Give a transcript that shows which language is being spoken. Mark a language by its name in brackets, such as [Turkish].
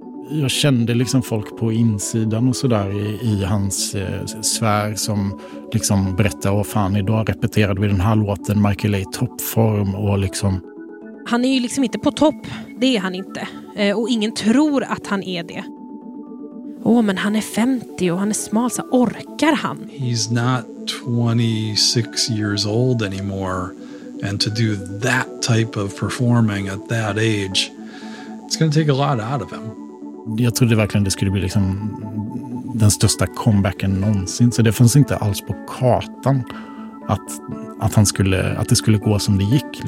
[Swedish] Jag kände liksom folk på insidan och sådär i hans sfär som liksom berättade, åh fan, idag repeterade vi den här låten, Michael är i toppform och liksom. Han är ju liksom inte på topp, det är han inte. Och ingen tror att han är det. Åh, men han är 50 och han är smal, så orkar han? [English] He's not 26 years old anymore. And to do that type of performing at that age, it's gonna take a lot out of him. [Swedish] Jag trodde verkligen det skulle bli liksom den största comebacken någonsin. Så det fanns inte alls på kartan att det skulle gå som det gick.